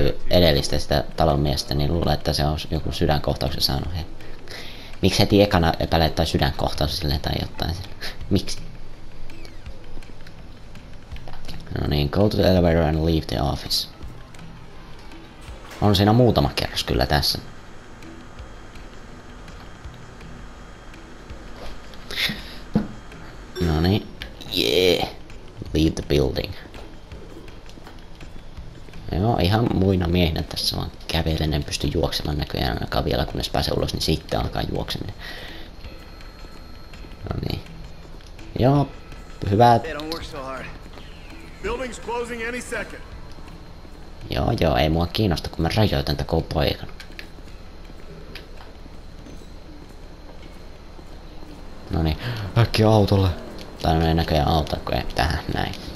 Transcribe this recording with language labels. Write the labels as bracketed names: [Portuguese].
[Finnish] Edellistä sitä talonmiestä, niin luulen, että se on joku sydänkohtauksen saanut. Miksi heti ekana epäilee, että sydänkohtaus silleen tai jotain silleen? Miksi? No niin, [English] go to the elevator and leave the office. [Finnish] On siinä muutama kerros kyllä tässä. No niin, [English] yeah. Leave the building. [Finnish] Joo, ihan muina miehinä tässä vaan kävelen, en pysty juoksemaan näköjään ainakaan vielä, kunnes pääsee ulos, niin sitten alkaa juokseminen. No niin. Joo, hyvä. [English] Building's closing any second. [Finnish] Joo, joo, ei mua kiinnosta, kun mä rajoitan tätä koko poikan. Noniin, äkkiä autolle. Tai no ei näköjään auta, kun ei tähän näin.